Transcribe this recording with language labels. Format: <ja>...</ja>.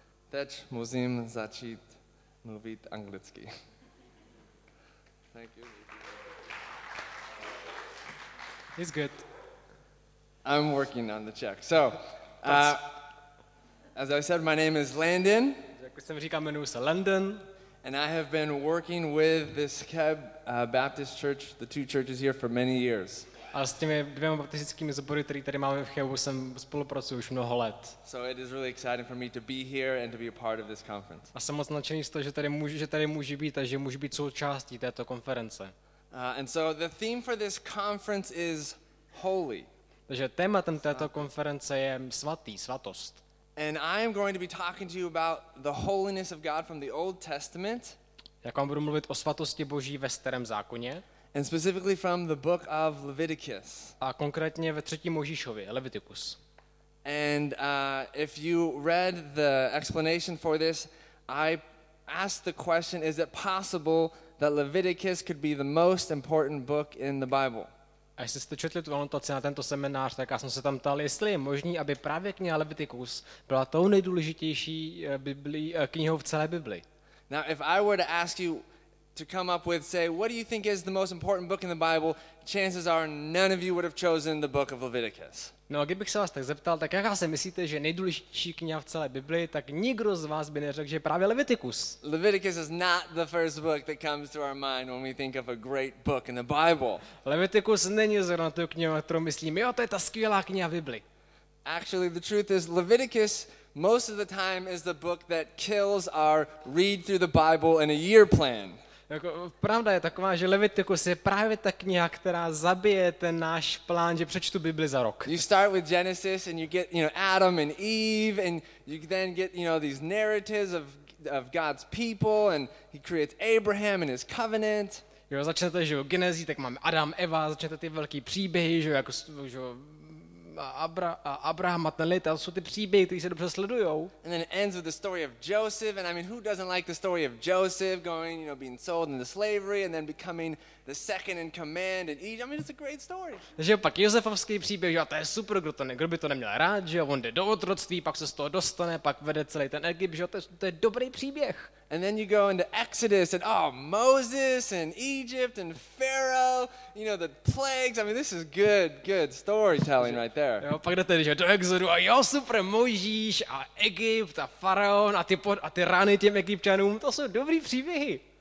<cs>Teď musím začít mluvit anglicky.</cs> <en>Thank you. It's good. I'm working on the check. So, as I said, my name is Landon.</en> <cs>Jak jsem říkal, jmenuji se Landon.</cs> <en>And I have been working with this Cheb Baptist Church, the two churches here, for many years.</en> <cs>A s těmi dvěma baptistickými sbory, které tady máme v Chebu, jsem spolupracuju už mnoho let.</cs> <en>So it is really exciting for me to be here and to be a part of this conference.</en> <cs>A jsem moc nadšený z toho, že tady můžu být a že můžu být součástí této konference.</cs> <en>And so the theme for this conference is holy.</en> <cs>Takže tématem této konference je svatý, svatost.</cs> <en>And I am going to be talking to you about the holiness of God from the Old Testament.</en> <cs>Já vám budu mluvit o svatosti Boží ve Starém zákoně.</cs> <en>And specifically from the book of Leviticus.</en> <cs>A konkrétně ve třetí Mojžíšově, Leviticus.</cs> <en>And if you read the explanation for this, I asked the question, is it possible that Leviticus could be the most important book in the Bible?</en> <cs>A jestli jste četli tu anotaci na tento seminář, tak já jsem se tam ptal, jestli je možný, aby právě kniha Leviticus byla tou nejdůležitější knihou v celé Bibli.</cs> <en>Now if I were to ask you to come up with, say, what do you think is the most important book in the Bible, chances are none of you would have chosen the book of Leviticus.</en> <cs>No, kdybych se vás tak zeptal, tak jaká si myslíte, že nejdůležitější kniha v celé Bibli, tak nikdo z vás by neřekl, že právě Leviticus.</cs> <en>Leviticus is not the first book that comes to our mind when we think of a great book in the Bible.</en> <cs>Leviticus není zrovna tu kniha, kterou myslíme, jo, to je ta skvělá kniha v Bibli.</cs> <en>Actually, the truth is Leviticus most of the time is the book that kills our read through the Bible in a year plan.</en> <cs>Jako, pravda je taková, že Leviticus je právě ta kniha, která zabije ten náš plán, že přečtu Bibli za rok.</cs> <en>You start with Genesis and you get, you know, Adam and Eve and you then get, you know, these narratives of God's people and he creates Abraham and his covenant.</en> <cs>Jo, začnete, že jo, Genesí, tak máme Adam, Eva, začnete ty velký příběhy, že jo, jako, že jo, Abraham a ten lid, a to jsou ty příběhy, které se dobře sledujou.</cs> <en>And then it ends with the story of Joseph, and I mean, who doesn't like the story of Joseph going, you know, being sold into slavery and then becoming the second in command in Egypt. I mean, it's a great story.</en> <cs>Takže pak Josefovský příběh, jo, to je super, kdo by to neměl rád, že jo, on jde do otroctví, pak se z toho dostane, pak vede celý ten Egypt, že jo, to je dobrý příběh.</cs> <en>And then you go into Exodus and oh, Moses and Egypt and Pharaoh, you know, the plagues. I mean, this is good storytelling right there.</en> <cs>Jo, pak jdete, že do Exodu a jo, super, Mojžíš a Egypt a Faraon a ty rány těm Egypťanům, to jsou dobrý příběhy.</cs>